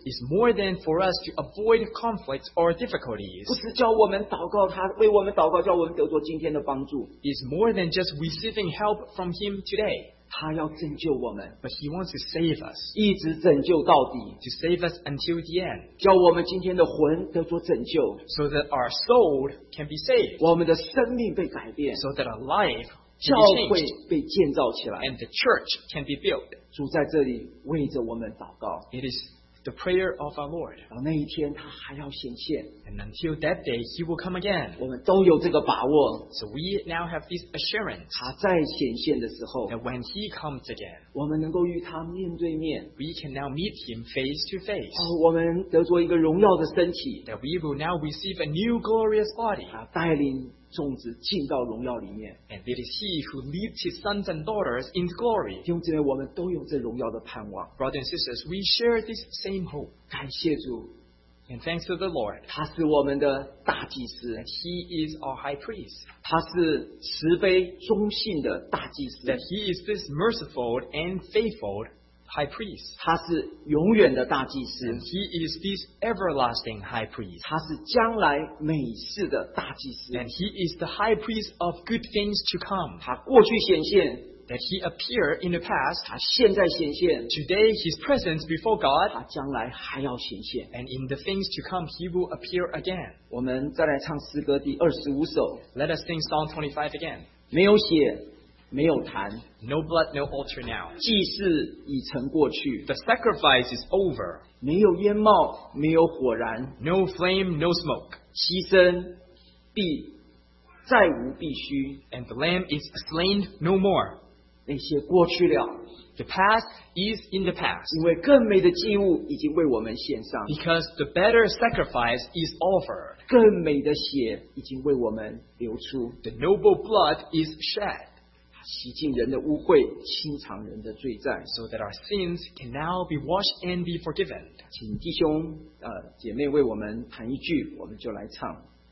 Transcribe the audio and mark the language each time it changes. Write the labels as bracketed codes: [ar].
[en] is more than for us to avoid conflicts or difficulties, [zh] 不只叫我们祷告他,为我们祷告叫我们得着今天的帮助, [en] is more than just receiving help from Him today. [zh] 他要拯救我们, [en] but He wants to save us, [zh] 一直拯救到底, [en] to save us until the end, [zh] 叫我们今天的魂得着拯救, [en] so that our soul can be saved, [zh] 我们的生命被改变, [en] so that our life, [zh] 教会被建造起来, [en] and the church can be built. [zh] 主在这里为着我们祷告, [en] it is the prayer of our Lord. [zh] 然后那一天他还要显现, [en] and until that day, He will come again. [zh] 我们都有这个把握, [en] so we now have this assurance, [zh] 他再显现的时候, [en] that when He comes again, [zh] 我们能够与他面对面, [en] we can now meet Him face to face. [zh] 哦,我们得着一个荣耀的身体, [en] that we will now receive a new glorious body. [zh] 祂带领 种子进到荣耀里面, [en] and it is He who leads His sons and daughters in glory. [zh] 弟兄姐妹,我们都有这荣耀的盼望。 [en] Brothers and sisters, we share this same hope. [zh] 感谢主, [en] and thanks to the Lord. [zh] 他是我们的大祭司, [en] that He is our high priest. [zh] 他是慈悲忠信的大祭司, [en] that He is this merciful and faithful high priest. [zh] 他是永远的大祭司, [en] and He is this everlasting high priest. [zh] 他是将来美事的大祭司, [en] and He is the high priest of good things to come. [zh] 他过去显现, [en] that He appeared in the past, [zh] 他现在显现, [en] today His presence before God, [zh] 他将来还要显现, [en] and in the things to come He will appear again. [zh] 我们再来唱诗歌第25首, [en] let us sing Psalm 25 again. [zh] 没有血, 没有痰, [en] no blood, no altar now. [zh] 祭祀已成过去, [en] the sacrifice is over. [zh] 没有烟冒, 没有火燃, [en] no flame, no smoke. [zh] 牺牲必, 再无必须, [en] and the lamb is slain no more. [zh] 那些过去了, [en] the past is in the past. [zh] 因为更美的祭物已经为我们献上, [en] because the better sacrifice is offered. [zh] 更美的血已经为我们流出, [en] the noble blood is shed. [zh] 洗净人的污秽, 清偿人的罪债, [en] so that our sins can now be washed and be forgiven. [zh] 请弟兄, 姐妹为我们弹一句, 我们就来唱。